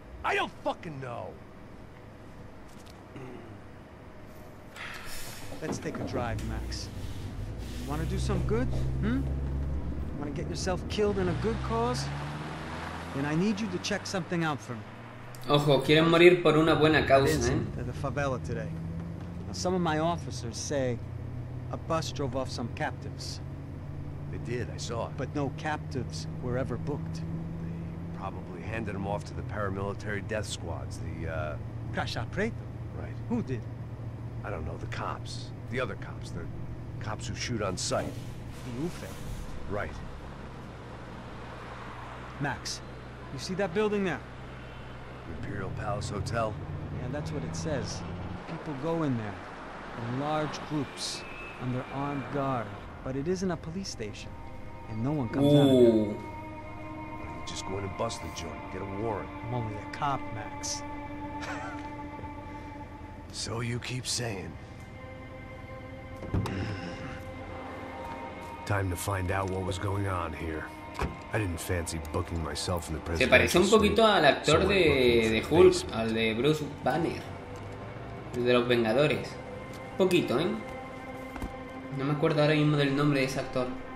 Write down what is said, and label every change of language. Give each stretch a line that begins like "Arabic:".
English: I don't fucking know. Let's take a drive, Max. Want to do some good? Want to get yourself killed in a good cause? Then I need you to check something out for me.
Spanish: Ojo, quieren morir por una buena causa, ¿eh?
English: To the favela today. Now, some of my officers say a bus drove off some captives. They did, I saw. But no captives were ever booked. They probably handed them off to the paramilitary death squads, the,
Portuguese: Caixa Preta.
English: Right. Who did? I don't know, the cops. The other cops, the cops who shoot on sight. The UFE. Right. Max, you see that building there? The Imperial Palace Hotel? Yeah, that's what it says. People go in there, in large groups, under armed guard. But it isn't a police station, and no one comes out of there. Why don't you just go in and bust the joint, get a warrant? I'm only a cop, Max. So you keep saying. Time to find out what was going on here. I didn't fancy booking myself in the presidential
Spanish: suite. Se parece un poquito al actor de Hulk, al de Bruce Banner, el de los Vengadores. Un poquito, ¿eh? No me acuerdo ahora mismo del nombre de ese actor.